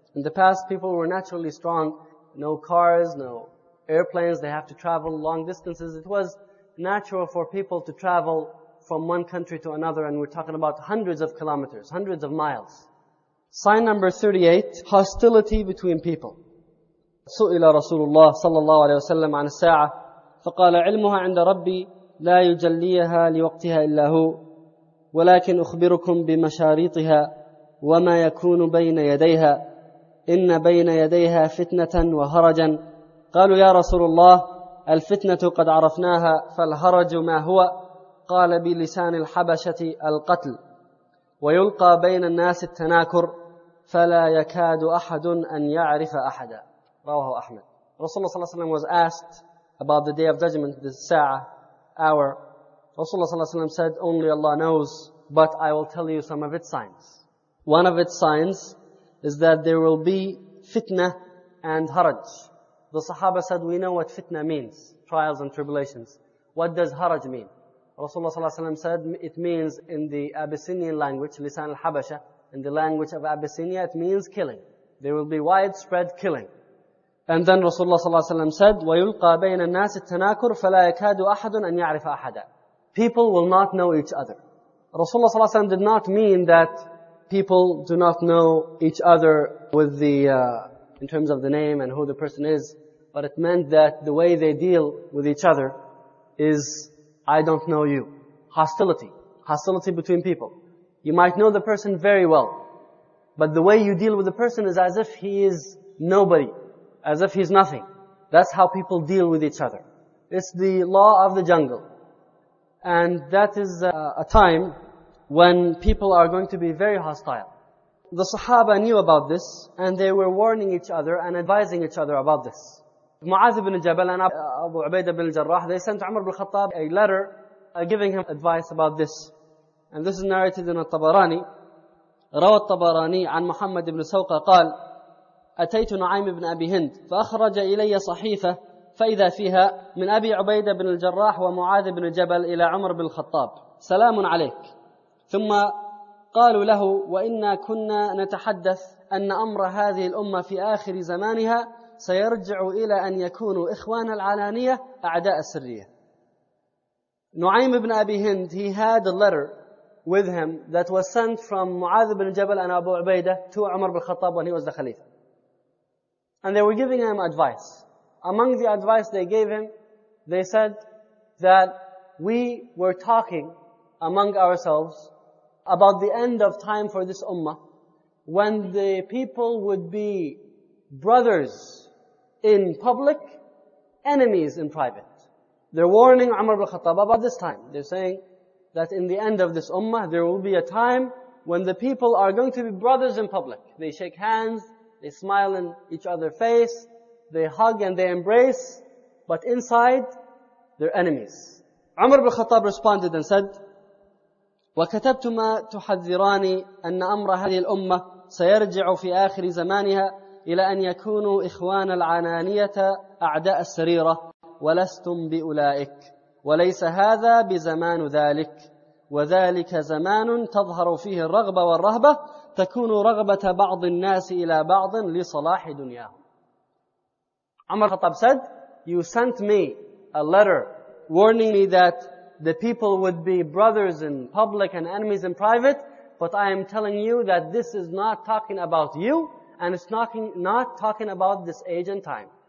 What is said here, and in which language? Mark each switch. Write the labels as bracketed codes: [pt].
[en] In the past, people were naturally strong. No cars, no airplanes. They have to travel long distances. It was natural for people to travel from one country to another, and we're talking about hundreds of kilometers, hundreds of miles. Sign number 38, hostility between people. [ar] سئل رسول الله صلى الله عليه وسلم عن الساعة فقال علمها عند ربي لا يجليها لوقتها إلا هو ولكن أخبركم بمشاريطها وما يكون بين يديها إن بين يديها فتنة وهرجا قالوا يا رسول الله الفتنة قد عرفناها فالهرج ما هو قال بلسان الحبشة القتل ويلقى بين الناس التناكر فلا يكاد أحد أن يعرف أحدا رواه أحمد. [en] Rasulullah صلى الله عليه وسلم was asked about the day of judgment, the ساعة, hour. Rasulullah صلى الله عليه وسلم said, only Allah knows, but I will tell you some of its signs. One of its signs is that there will be fitna and haraj. The Sahaba said, we know what fitna means, trials and tribulations. What does haraj mean? Rasulullah sallallahu alaihi wasallam said, it means in the Abyssinian language, lisan al-habasha, in the language of Abyssinia, it means killing. There will be widespread killing. And then Rasulullah sallallahu alaihi wasallam said, [ar] وَيُلْقَى بَيْنَ النَّاسِ التَّنَاكُرُ فَلَا يَكَادُ أَحَدٌ أَنْ يَعْرِفَ أَحَدًا. [en] People will not know each other. Rasulullah sallallahu alaihi wasallam did not mean that people do not know each other with the in terms of the name and who the person is, but it meant that the way they deal with each other is, I don't know you. Hostility between people. You might know the person very well, but the way you deal with the person is as if he is nobody, as if he's nothing. That's how people deal with each other. It's the law of the jungle. And that is a time when people are going to be very hostile. The Sahaba knew about this, and they were warning each other and advising each other about this. Mu'adh ibn Jabal and Abu Ubaidah ibn Jarrah, they sent Umar ibn Khattab a letter giving him advice about this. And this is narrated in al-Tabarani. [ar] Rawat al-Tabarani an Muhammad ibn Sawqa qal, أتيت نعيم ibn Abi Hind, فأخرج إلي صحيفة فإذا فيها من أبي عبيدة بن الجراح ومعاذ بن جبل إلى عمر بن الخطاب سلام عليك. ثم قالوا له وإنا كنا نتحدث أن أمر هذه الأمة في آخر زمانها سيرجع إلى أن يكونوا إخوان العلانية أعداء السرية. [en] نعيم بن أبي هند, he had a letter with him that was sent from معاذ بن جبل and أبو عبيدة to عمر بن الخطاب when he was the Khalifa. And they were giving him advice. Among the advice they gave him, they said that we were talking among ourselves about the end of time for this ummah, when the people would be brothers in public, enemies in private. They're warning Umar ibn Khattab about this time. They're saying that in the end of this ummah, there will be a time when the people are going to be brothers in public. They shake hands, they smile in each other's face, they hug and they embrace, but inside, they're enemies. Umar ibn Khattab responded and said, [ar] وَكَتَبْتُمَا تُحَذِّرَانِي أَنَّ أَمْرَ هَذِهِ الْأُمَّةِ سَيَرْجِعُ فِي آخِرِ زَمَانِهَا إِلَى أَنْ يَكُونُوا إِخْوَانَ الْعَنَانِيَةَ أَعْدَاءَ السَّرِيرَةِ وَلَسْتُمْ بِأُولَئِكَ وليس هذا بزمان ذلك، وذلك زمان تظهر فيه الرغبة والرهبة، تكون رغبة بعض الناس إلى بعض لصلاح دنياهم. [en] عمر خطاب said, you sent me a letter warning me that the people would be brothers in public and enemies in private, but I am telling you that this is not talking about you, and it's not talking about this age and time.